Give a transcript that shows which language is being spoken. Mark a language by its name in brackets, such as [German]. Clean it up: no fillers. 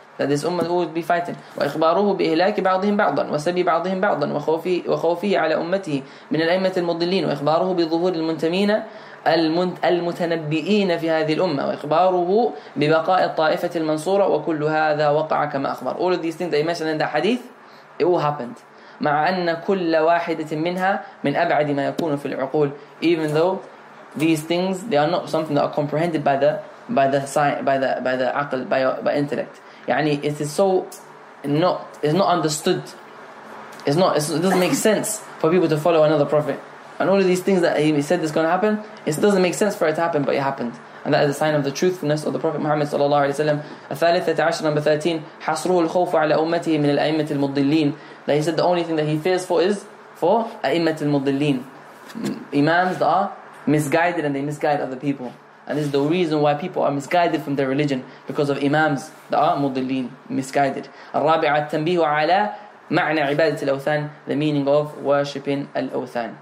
[English] That this ummah would be fighting. [Arabic] وإخباره بإهلاك بعضهم بعضا وسبي بعضهم بعضا وخوفه على أمته من الأئمة المضلين. وإخباره بظهور المنتمين المتنبئين في هذه الأمة. وإخباره ببقاء الطائفة المنصورة. وكل هذا وقع كما أخبر. [English] All of these things that he mentioned in that hadith, it all happened. [Arabic] مع أن كل واحدة منها من أبعد ما يكون في العقول. [English] Even though these things, they are not something that are comprehended by the عقل, by intellect. يعني it is so not, it's not understood. It doesn't make sense for people to follow another prophet. And all of these things that he said is going to happen, it doesn't make sense for it to happen, but it happened. And that is a sign of the truthfulness of the Prophet Muhammad sallallahu alaihi wasallam. [Arabic] الثالثة عشر [English] number 13 [Arabic] حصره الخوف على أمته من الأئمة المضلين. [English] That he said the only thing that he fears for is for [Arabic] أئمة المضلين, [English] imams that are misguided and they misguide other people. And this is the reason why people are misguided from their religion, because of imams that are مضلين, misguided. [Arabic] الرابعة التنبيه على معنى عبادة الأوثان, [English] the meaning of worshipping [Arabic] الأوثان.